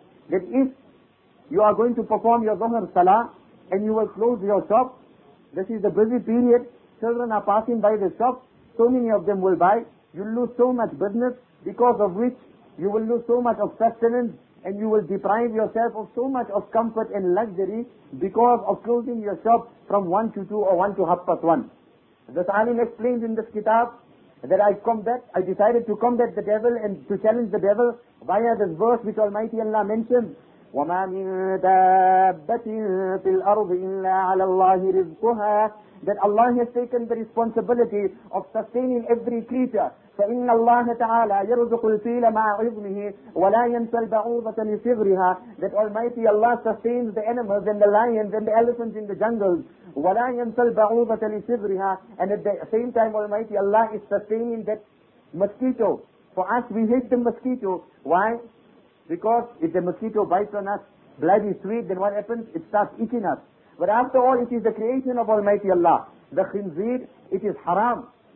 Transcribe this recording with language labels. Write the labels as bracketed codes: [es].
[en] That if you are going to perform your Dhuhr Salah and you will close your shop, this is the busy period, children are passing by the shop, so many of them will buy, you will lose so much business, because of which you will lose so much of sustenance and you will deprive yourself of so much of comfort and luxury because of closing your shop from 1 to 2 or 1 to 1:30. The Alim explains in this kitab that I decided to combat the devil and to challenge the devil via this verse which Almighty Allah mentioned, [ar] وما من دابة في الأرض إلا على الله رزقها. [en] That Allah has taken the responsibility of sustaining every creature. [ar] فإن الله تعالى يرزق الفيل مع عظمه ولا ينسى البعوضة لصغرها. [en] That Almighty Allah sustains the animals and the lions and the elephants in the jungles. [ar] ولا ينسى البعوضة لصغرها. [en] And at the same time Almighty Allah is sustaining that mosquito. For us, we hate the mosquito. Why? Because if the mosquito bites on us, blood is sweet, then what happens? It starts eating us. But after all, it is the creation of Almighty Allah. The khinzir, it is haram.